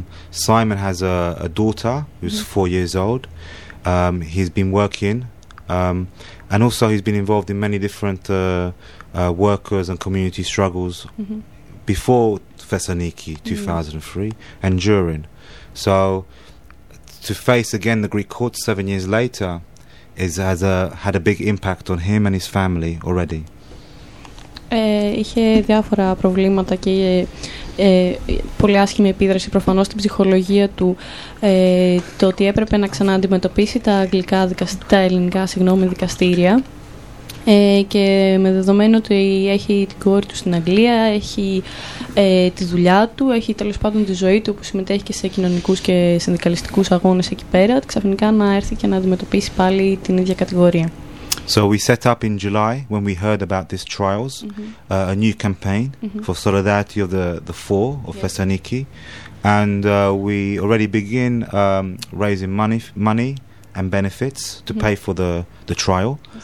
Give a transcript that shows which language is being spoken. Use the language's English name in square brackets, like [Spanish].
[English] Simon has a daughter who's 4 years old. He's been working, and also he's been involved in many different workers and community struggles before Thessaloniki 2003 and during. So to face again the Greek court 7 years later has had a big impact on him and his family already. [Greek] Είχε διάφορα προβλήματα και πολύ άσχημη επίδραση προφανώς στην ψυχολογία του, το ότι έπρεπε να ξανααντιμετωπίσει τα ελληνικά δικαστήρια, και με δεδομένο ότι έχει την κόρη του στην Αγγλία, έχει τη δουλειά του, έχει τέλος πάντων τη ζωή του που συμμετέχει και σε κοινωνικούς και συνδικαλιστικούς αγώνες εκεί πέρα, ξαφνικά να έρθει και να αντιμετωπίσει πάλι την ίδια κατηγορία. [English] So we set up in July, when we heard about these trials, a new campaign for solidarity of the four of Thessaloniki, and we already begin raising money and benefits to pay for the trial.